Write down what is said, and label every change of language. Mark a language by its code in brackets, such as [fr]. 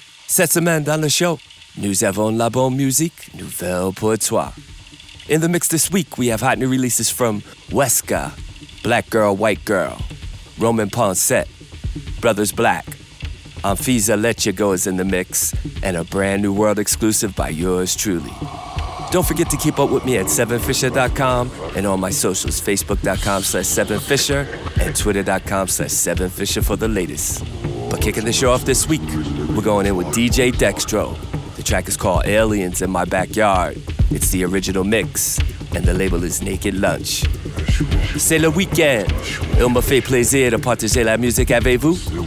[fr] Cette semaine dans le show, nous avons la bonne musique nouvelle pour toi. [en] In the mix this week, we have hot new releases from Weska, Black Girl, White Girl, Roman Poncet, Brothers Black, Amphisa Let You Go is in the mix, and a brand new world exclusive by yours truly. Don't forget to keep up with me at 7fisher.com and on my socials, facebook.com/7fisher and twitter.com/7fisher for the latest. But kicking the show off this week, we're going in with DJ Dextro. The track is called Aliens in My Backyard. It's the original mix, and the label is Naked Lunch. [fr] C'est le week-end. Il me fait plaisir de partager la musique avec vous.